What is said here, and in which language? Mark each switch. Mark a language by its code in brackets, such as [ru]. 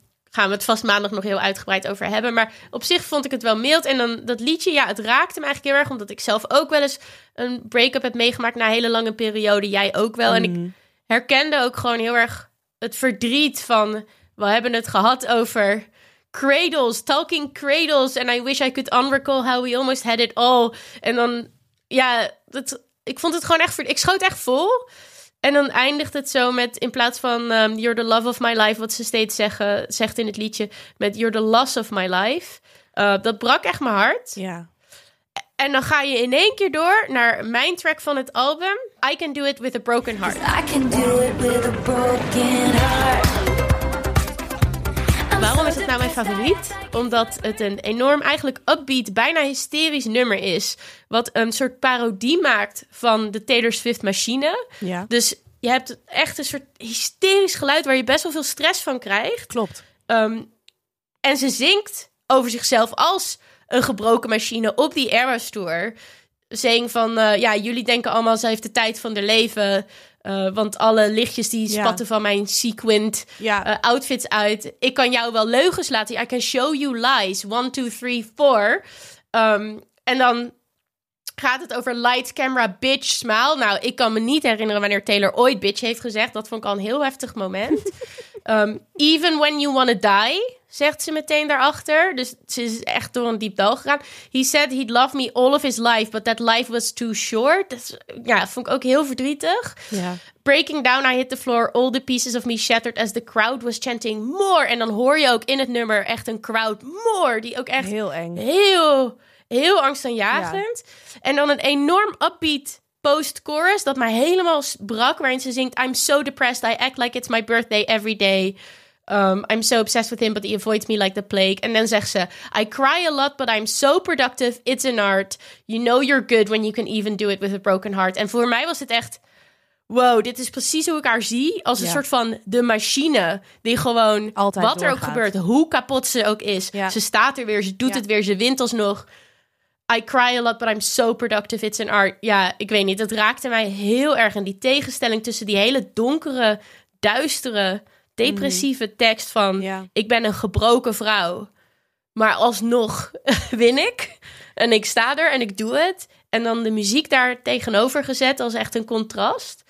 [nl] Gaan we het vast maandag nog heel uitgebreid over hebben. Maar op zich vond ik het wel mild. En dan dat liedje, ja, het raakte me eigenlijk heel erg. Omdat ik zelf ook wel eens een break-up heb meegemaakt na een hele lange periode. Jij ook wel. Mm. En ik herkende ook gewoon heel erg het verdriet van, we hebben het gehad over cradles, talking cradles. [en] And I wish I could unrecall how we almost had it all. [nl] En dan, ja, dat, ik vond het gewoon echt, ik schoot echt vol. En dan eindigt het zo met, in plaats van [en] you're the love of my life, [nl] wat ze steeds zegt in het liedje, met [en] you're the loss of my life. [nl] Dat brak echt mijn hart. Ja. En dan ga je in één keer door naar mijn track van het album, I Can Do It With a Broken Heart. [en] I can do it with a broken heart. [nl] Waarom is het nou mijn favoriet? Omdat het een enorm, eigenlijk upbeat, bijna hysterisch nummer is. Wat een soort parodie maakt van de Taylor Swift machine. Ja. Dus je hebt echt een soort hysterisch geluid waar je best wel veel stress van krijgt. Klopt. En ze zingt over zichzelf als een gebroken machine op die Eras Tour. Zing van, ja, jullie denken allemaal, ze heeft de tijd van haar leven. Want alle lichtjes die spatten van mijn sequined outfits uit. Ik kan jou wel leugens laten. [en] I can show you lies. 1, 2, 3, 4. [nl] En dan gaat het over [en] light camera bitch smile. [nl] Nou, ik kan me niet herinneren wanneer Taylor ooit bitch heeft gezegd. Dat vond ik al een heel heftig moment. [en] even when you wanna die, [nl] zegt ze meteen daarachter. Dus ze is echt door een diep dal gegaan. [en] He said he'd love me all of his life, but that life was too short. [nl] Dat is, ja, vond ik ook heel verdrietig. [en] Yeah. Breaking down, I hit the floor. All the pieces of me shattered as the crowd was chanting more. [nl] En dan hoor je ook in het nummer echt een crowd more. Die ook echt heel eng. Heel, heel angstaanjagend. Yeah. En dan een enorm upbeat post-chorus dat mij helemaal brak. Waarin ze zingt, [en] I'm so depressed. I act like it's my birthday every day. I'm so obsessed with him, but he avoids me like the plague. [nl] En dan zegt ze, [en] I cry a lot, but I'm so productive. It's an art. You know you're good when you can even do it with a broken heart. [nl] En voor mij was het echt, wow, dit is precies hoe ik haar zie. Als een soort van de machine die gewoon, altijd wat doorgaat. Er ook gebeurt, hoe kapot ze ook is. [en] Yeah. [nl] Ze staat er weer, ze doet het weer, ze wint alsnog. [en] I cry a lot, but I'm so productive. It's an art. [nl] Ja, ik weet niet, dat raakte mij heel erg. En die tegenstelling tussen die hele donkere, duistere, depressieve tekst van, ik ben een gebroken vrouw, maar alsnog win ik. En ik sta er en ik doe het. En dan de muziek daar tegenover gezet als echt een contrast.